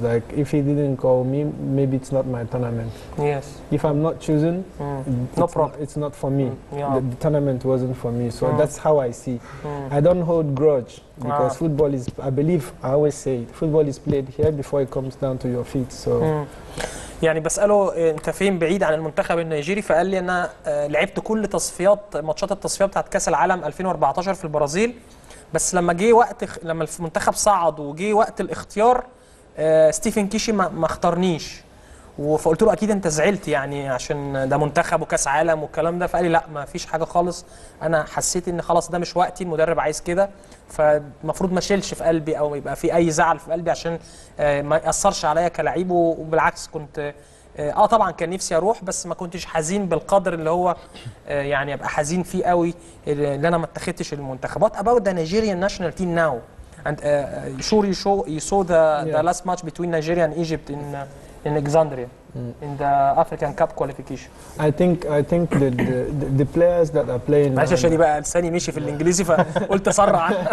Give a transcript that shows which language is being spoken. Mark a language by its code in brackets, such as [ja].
[en] Like if he didn't call me, maybe it's not my tournament. Yes. If I'm not chosen, no problem. It's not for me. Yeah. The tournament wasn't for me. So that's how I see. I don't hold grudge because football is, I believe, I always say it, football is played here before it comes down to your feet. So. [ar] يعني بسأله انت فين بعيد عن المنتخب النيجيري؟ فقال لي انا لعبت كل تصفيات ماتشات التصفيات بتاعت كاس العالم 2014 في البرازيل، بس لما جه وقت لما المنتخب صعد وجه وقت الاختيار ستيفن كيشي ما اختارنيش. فقلت له اكيد انت زعلت يعني عشان ده منتخب وكاس عالم والكلام ده، فقال لي لا ما فيش حاجه خالص، انا حسيت ان خلاص ده مش وقتي، المدرب عايز كده، فالمفروض ما اشيلش في قلبي او يبقى في اي زعل في قلبي عشان ما ياثرش عليا كلاعب. وبالعكس كنت طبعا كان نفسي اروح، بس ما كنتش حزين بالقدر اللي هو يعني ابقى حزين فيه قوي اللي انا ما اتخذتش المنتخبات. [en] About the Nigerian national team now and sure you saw the last match between Nigeria and Egypt in Alexandria in the African Cup qualification. I think the players that are playing. [ar] معلش عشان يبقى لساني ماشي في الانجليزي فقلت اسرع.